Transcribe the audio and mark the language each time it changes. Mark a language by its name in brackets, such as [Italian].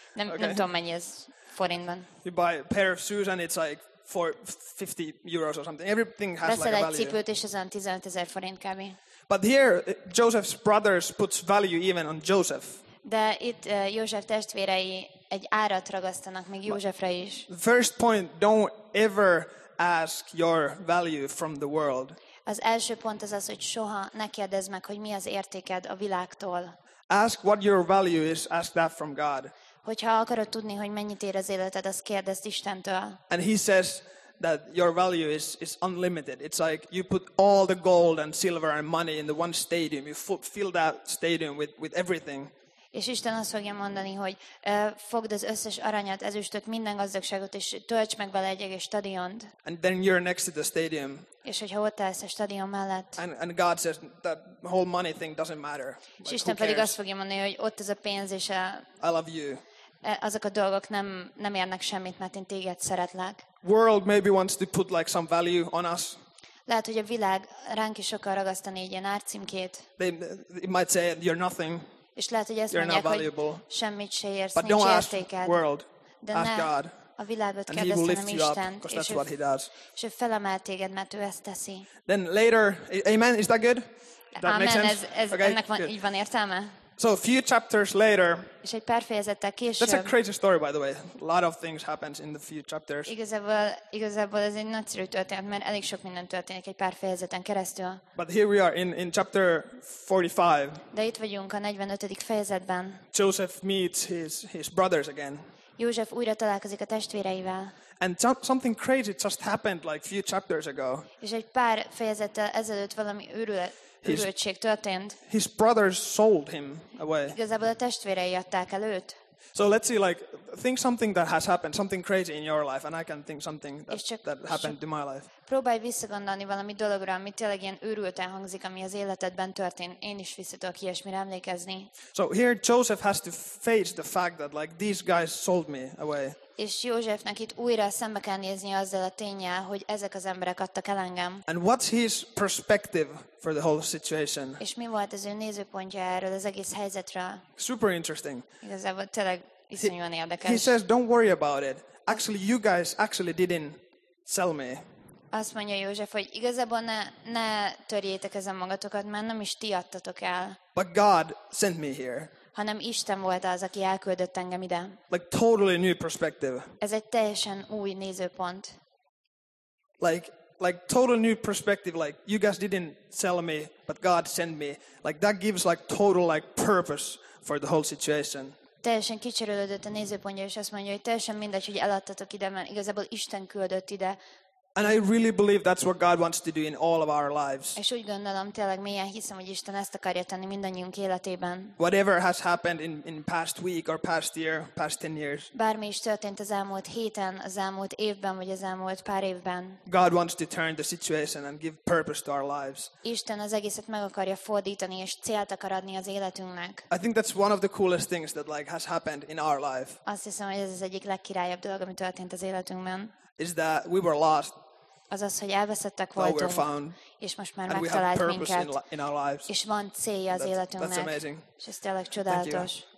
[Hungarian] Nem tudom, mennyi ez forintban. [English] You buy a pair of shoes and it's like 450 euros or something. Everything has [Hungarian] veszel [English] like [Hungarian] egy [English] a value. [Hungarian] Cipőt és azon 15,000 forint kb. [English] But here, Joseph's brothers puts value even on Joseph. [Hungarian] De itt József testvérei egy árat ragasztanak még Józsefre is. [English] First point, don't ever ask your value from the world. [Hungarian] Az első pont az, hogy soha ne kérdezz meg, hogy mi az értéked a világtól. [English] Ask what your value is, ask that from God. [Hungarian] Hogyha akarod tudni, hogy mennyit ér az életed, azt kérdezd Istentől. [English] And he says that your value is unlimited. It's like you put all the gold and silver and money in the one stadium. You fill that stadium with everything. [Hungarian] És Isten azt fogja mondani, hogy fogd az összes aranyat, ezüstöt, minden gazdagságot, és tölts meg bele egy egész stadiont. [English] And then you're next to the stadium. [Hungarian] És hogyha ott állsz a stadion mellett. [English] And God says that whole money thing doesn't matter. [Hungarian] És Isten like, pedig azt fogja mondani, hogy ott ez a pénz és a... [English] I love you. [Hungarian] Azok a dolgok nem érnek semmit, mert én téged szeretlek. [English] World maybe wants to put like some value on us. [Hungarian] Lehet, hogy a világ ránk is akar ragasztani egy ilyen árcímkét. [English] It might say you're nothing. [Hungarian] És lehet, hogy ezt [English] you're [Hungarian] mondják, [English] not valuable. [Hungarian] Hogy semmit se érsz, [English] but don't ask [Hungarian] értéked. [English] World. [Hungarian] De [English] ask God. [Hungarian] A világot [English] and he will lift you up, because that's what he does. [Hungarian] És ő felemel téged, mert ő ezt teszi. [English] Then later, amen, is that good? That amen, makes sense? [Hungarian] Ez okay, ennek van, így van értelme. [English] So a few chapters later, [Hungarian] és egy pár fejezettel később, [English] that's a crazy story by the way. A lot of things happens in the few chapters. [Hungarian] Igazából ez egy nagyszerű történet, mert elég sok minden történik egy pár fejezeten keresztül. [English] But here we are in chapter 45. [Hungarian] De itt vagyunk a 45. fejezetben. [English] Joseph meets his brothers again. [Hungarian] József újra találkozik a testvéreivel. [English] And something crazy just happened like few chapters ago. [Hungarian] És egy pár fejezettel ezelőtt valami őrültség történt. [English] His brothers sold him away. [Hungarian] Igazából a testvérei adták el őt. [English] So let's see, like, think something that has happened, something crazy in your life, and I can think something that happened in my life. [Hungarian] Próbálj visszagondolni valami dologra, ami tényleg ilyen őrülten hangzik, ami az életedben történt. Én is vissza tudok ilyesmire emlékezni. [English] So here Joseph has to face the fact that, like, these guys sold me away. [Hungarian] És Józsefnek itt újra szembe kell nézni azzal a ténnyel, hogy ezek az emberek adtak el engem. [English] And what's his perspective for the whole situation? [Hungarian] És mi volt az ő nézőpontja erről az egész helyzetről? [English] Super interesting. [Hungarian] Igazából tényleg iszonyúan érdekes. [English] He says, don't worry about it. Actually, you guys actually didn't sell me. [Hungarian] Azt mondja József, hogy igazából ne törjétek ezen magatokat, mert nem is ti adtatok el. [English] But God sent me here. [Hungarian] Hanem Isten volt az, aki elküldött engem ide. [English] Like totally new perspective. [Hungarian] Ez egy teljesen új nézőpont. [English] Like total new perspective, like you guys didn't sell me, but God sent me. Like that gives like total like purpose for the whole situation. [Hungarian] Teljesen kicserélődött a nézőpontja, és azt mondja, hogy teljesen mindegy, hogy eladtatok ide, mert igazából Isten küldött ide. [English] And I really believe that's what God wants to do in all of our lives. [Hungarian] És úgy gondolom, tényleg mélyen hiszem, hogy Isten ezt akarja tenni mindannyiunk életében. [English] Whatever has happened in past week or past year, past 10 years. [Hungarian] Bármi is történt az elmúlt héten, az elmúlt évben vagy az elmúlt pár évben. [English] God wants to turn the situation and give purpose to our lives. [Hungarian] Isten az egészet meg akarja fordítani és célt akar adni az életünknek. [English] I think that's one of the coolest things that like has happened in our life. [Hungarian] Azt hiszem, hogy ez az egyik legkirályabb dolog, ami történt az életünkben. [English] Is that we were lost. [Hungarian] Azaz, hogy elveszettek voltunk, [English] we're found, [Hungarian] és most már megtalált minket. [English] In our lives. [Hungarian] És van célja az életünknek. [English] That's amazing. [Hungarian] És ez tényleg csodálatos.